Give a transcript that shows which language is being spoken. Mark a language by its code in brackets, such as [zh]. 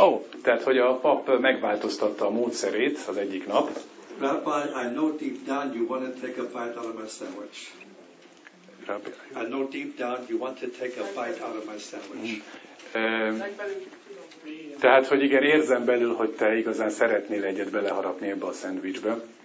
[hu] Oh, tehát hogy a pap megváltoztatta a módszerét az egyik nap. [en] Rabbi, I know deep down you want to take a bite out of my sandwich. I know deep down you want to take a bite out of my sandwich. [hu] Tehát, hogy igen, érzem belül, hogy te igazán szeretnél egyet beleharapni ebbe a szendvicsbe.